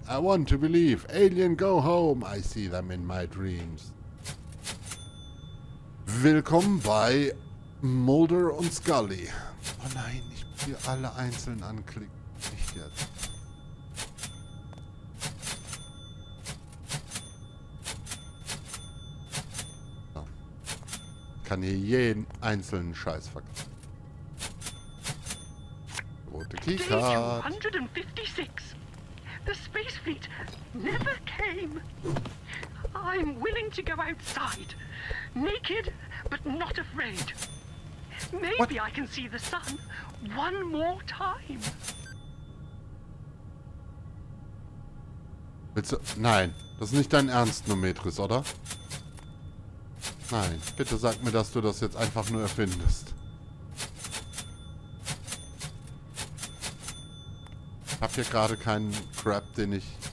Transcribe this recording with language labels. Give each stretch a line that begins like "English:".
English: I want to believe. Alien, go home. I see them in my dreams.
German: Willkommen bei Mulder und Scully. Oh nein, ich muss hier alle einzeln anklicken. Nicht jetzt. So. Kann hier jeden einzelnen Scheiß verkaufen. Rote Keycard.
English: Day 256. The space fleet never came. I'm willing to go outside. Naked, but not afraid. Maybe what? I can see the sun one more time.
German: Bitte, nein, das ist nicht dein Ernst, Numetris, oder? Nein, bitte sag mir, dass du das jetzt einfach nur erfindest. Ich hab hier gerade keinen Crap, den ich...